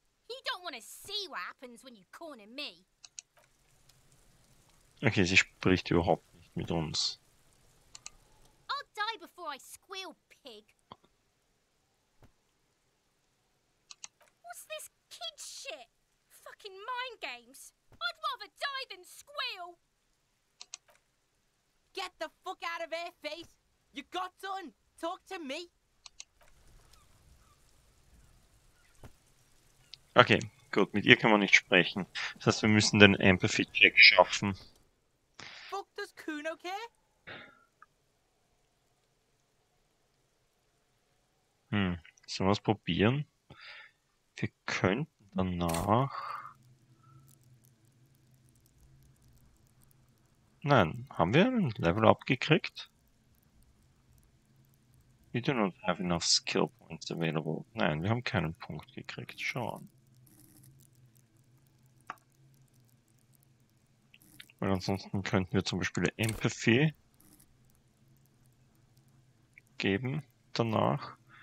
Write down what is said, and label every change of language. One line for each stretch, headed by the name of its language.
English: You don't want to see what happens when you corner me.
German: Okay, sie spricht überhaupt nicht mit uns.
English: I'll die before I squeal, pig. What's this? Kid shit! Fucking mind games! I'd rather die than squeal! Get the fuck out of here, face! You got done! Talk to me!
German: Okay, gut, mit ihr kann man nicht sprechen. Das heißt, wir müssen den Empathy Check schaffen.
English: Fuck, does Kuno care?
German: Sollen wir es probieren? Wir könnten. Danach. Nein, haben wir ein Level abgekriegt?
English: We do not have enough skill points available.
German: Nein, wir haben keinen Punkt gekriegt. Schauen. Weil ansonsten könnten wir zum Beispiel Empathy geben danach.